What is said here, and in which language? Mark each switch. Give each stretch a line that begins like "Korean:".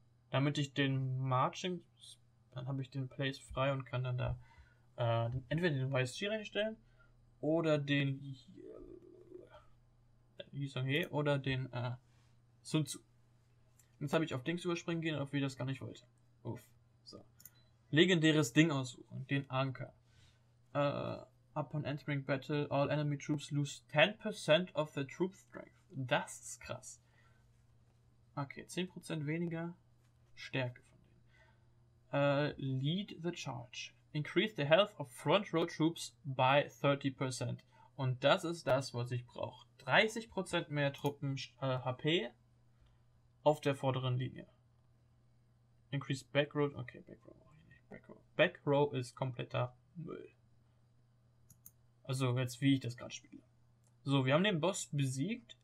German: Damit ich den Marching. Dann habe ich den Place frei und kann dann da entweder den YSG reinstellen oder den. Yisonghe oder den Sun Tzu. Jetzt habe ich auf Dings überspringen gehen, obwohl ich das gar nicht wollte. Uff. So. Legendäres Ding aussuchen. Den Anker.
English: Upon entering battle, all enemy troops lose 10% of the troop strength.
German: Das ist krass. Okay, 10% weniger Stärke von denen.
English: Lead the charge. Increase the health of front row troops by 30%.
German: Und das ist das, was ich brauche. 30% mehr Truppen HP auf der vorderen Linie.
English: Increase Backroad.
German: Okay, Backroad mache ich nicht. Backroad ist kompletter Müll. Also jetzt, wie ich das gerade spiele. So, wir haben den Boss besiegt.